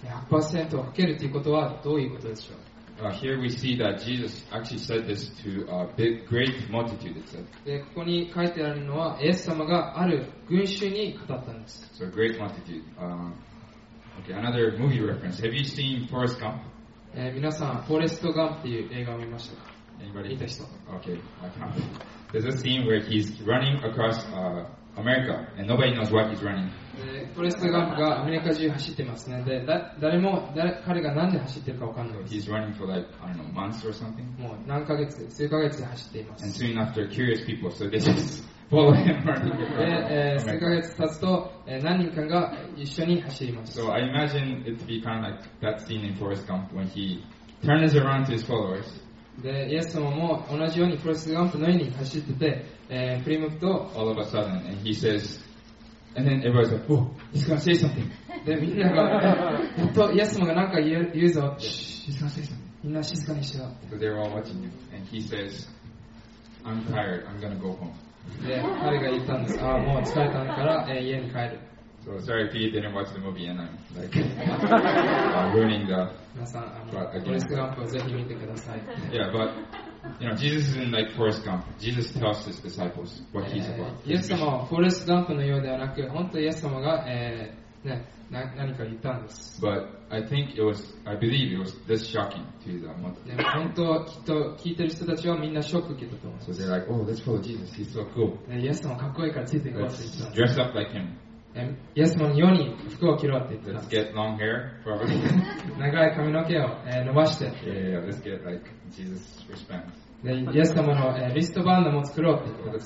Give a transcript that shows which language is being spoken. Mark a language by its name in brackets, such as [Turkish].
[Japanese] 100% をかけるということはどういうことでしょう。 [English] Here we see that Jesus actually said this to a big, great multitude. [Japanese] で、ここに書いてあるのは、イエス様がある群衆に語ったんです。 [English] So, great multitude. Okay, another movie reference. Have you seen Forrest Gump? [Japanese] 皆さん、フォレスト・ガンプという映画を見ましたか？ [English] Anybody? [Japanese] 見た人。 [English] Okay, I can't. There's a scene where he's running across America, and nobody knows why he's running. [Japanese] Forrest Gump がアメリカ中走ってますね。で、彼がなんで走ってるかわかんない。 [English] He's running for like, I don't know, months or something. [Japanese] もう何ヶ月、数ヶ月で走っています。 [English] And soon after, curious people, so they just follow him running. [Japanese] で、数ヶ月経つと、何人かが一緒に走ります。 [English] So I imagine it to be kind of like that scene in Forrest Gump when he turns around to his followers. [Japanese] で、イエス様も同じようにForrest Gumpのように走ってて、振り向くと、 [English] All of a sudden, and he says, and then everybody's like, oh, he's gonna say something. [Japanese] で、みんなが、やっとイエス様が何か言うぞ。 [English] He's gonna say something. [Japanese] みんな静かにしよう。 [English] Because they're all watching him. And he says, I'm tired, I'm gonna go home. [Japanese] で、彼が言ったんです。ああ、もう疲れたから、家に帰る。 [English] So sorry if you didn't watch the movie and I'm like ruining the plot again. Forrest Gump, please watch it. Yeah, but you know, Jesus isn't like Forrest Gump. Jesus tells his disciples what he's about. Yes, Lord, [Japanese] Forrest Gump のようではなく、本当イエス様が、何か言ったんです。 [English] But I think it was, I believe it was this shocking to the multitude. [Japanese] 本当きっと聞いてる人たちはみんなショック受けたと思う。 [English] So they're like, oh, let's follow Jesus. He's so cool. [Japanese] イエス様かっこいいからついていこうって言ったんです。 [English] Dress up like him. [Japanese] イエス様のように服を着ろって言ってた。 [English] Let's get long hair, probably. [Japanese] 長い髪の毛を伸ばして。 [English] Yeah, let's get like Jesus wristbands. [Japanese] で、イエス様のリストバンドも作ろうって言って